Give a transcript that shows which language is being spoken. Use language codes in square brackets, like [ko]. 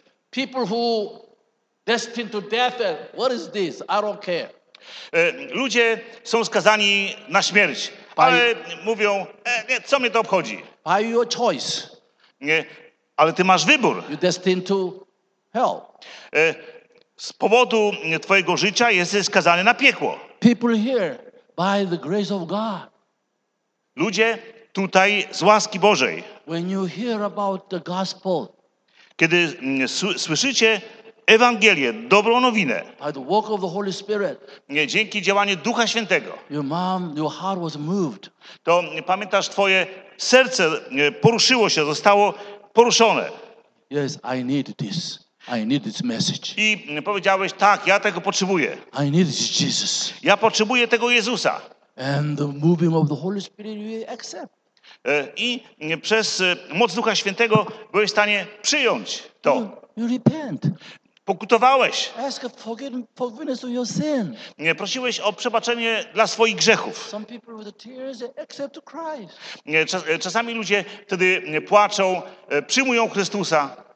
[en] People who destined to death, what is this? I don't care. [pl] Ludzie są skazani na śmierć, ale mówią, nie, co mnie to obchodzi? [en] By your choice. [pl] Nie, ale ty masz wybór. [en] You destined to hell. [pl] Z powodu twojego życia jesteś skazany na piekło. [en] People here by the grace of God. [pl] Ludzie tutaj z łaski Bożej. [en] When you hear about the gospel. [pl] Kiedy słyszycie Ewangelię, dobrą nowinę. [en] By the work of the Holy Spirit. [pl] Nie, dzięki działaniu Ducha Świętego. [en] Your heart was moved. [pl] To pamiętasz, twoje serce poruszyło się, zostało poruszone. [en] Yes, I need this. I need this message. [pl] I powiedziałeś, tak, ja tego potrzebuję. [en] I need this Jesus. [pl] Ja potrzebuję tego Jezusa. [en] And the moving of the Holy Spirit we accept. [pl] I przez moc Ducha Świętego byłeś w stanie przyjąć to. [en] You repent. [pl] Pokutowałeś. [en] Ask forgiveness of your sin. [pl] Nie, prosiłeś o przebaczenie dla swoich grzechów. [en] Some people with tears accept Christ. [pl] Nie, czasami ludzie wtedy płaczą, przyjmują Chrystusa.